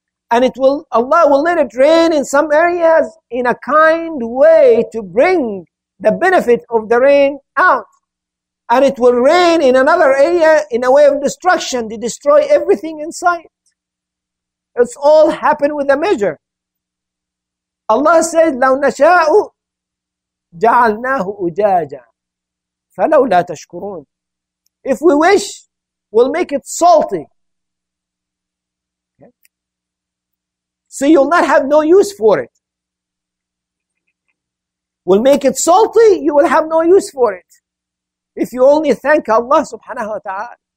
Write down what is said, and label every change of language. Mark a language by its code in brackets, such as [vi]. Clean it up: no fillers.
[en] And it will, Allah will let it rain in some areas in a kind way to bring the benefit of the rain out. And it will rain in another area in a way of destruction to destroy everything in sight. It's all happened with a measure. Allah said, [ar] لَوْ نَشَاءُ جَعَلْنَاهُ أُجَاجًا فَلَوْ لَا تَشْكُرُونَ. [en] If we wish, we'll make it salty. So you'll not have no use for it. We'll make it salty, you will have no use for it. If you only thank Allah subhanahu wa ta'ala.